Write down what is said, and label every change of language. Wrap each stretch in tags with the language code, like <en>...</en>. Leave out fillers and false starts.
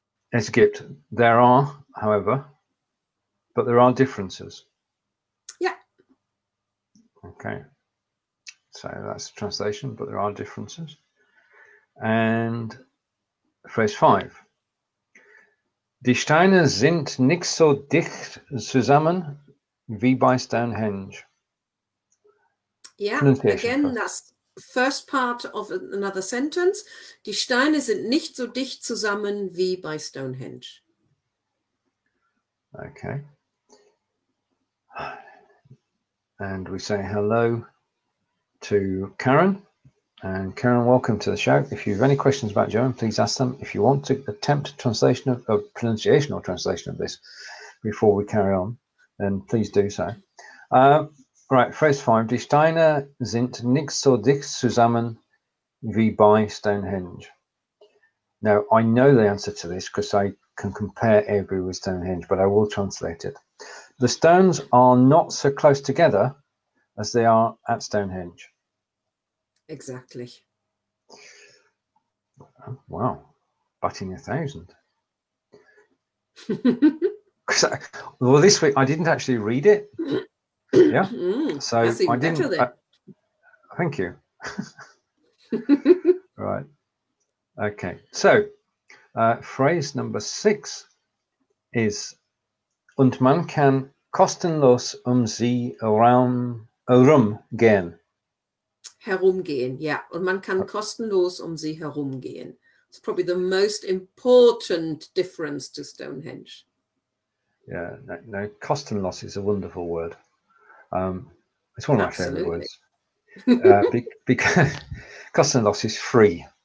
<de>Es gibt.</de> <en>There are, however, but there are differences. Yeah. Okay. So that's the translation, but there are differences. And phrase five.</en> <de>Die Steine sind nicht so dicht zusammen wie bei Stonehenge.</de> <en>Yeah, again, that's first part of another sentence.</en> <de>Die Steine sind nicht so dicht zusammen wie bei Stonehenge.</de> <en>Okay. And we say hello to Karen. And Karen, welcome to the show. If you have any questions about German, please ask them. If you want to attempt translation of a pronunciation or translation of this before we carry on, then please do so. Right, phrase five.</en> <de>Die Steine sind nicht so dicht zusammen wie bei Stonehenge.</de> <en>Now, I know the answer to this because I can compare Avebury with Stonehenge, but I will translate it. The stones are not so close together as they are at Stonehenge. Exactly. Wow, batting 1,000. Because this week I didn't actually read it. Yeah. So that's even I didn't. Better, then. Thank you. Right. Okay. So phrase number six is</en> <de>"Und man kann kostenlos sie herum gehen." Herumgehen, yeah. Und man kann kostenlos sie herumgehen.</de> <en>It's probably the most important difference to Stonehenge. Yeah, no, kostenlos is a wonderful word. It's one of absolutely my favorite words. because kostenlos is free.</en>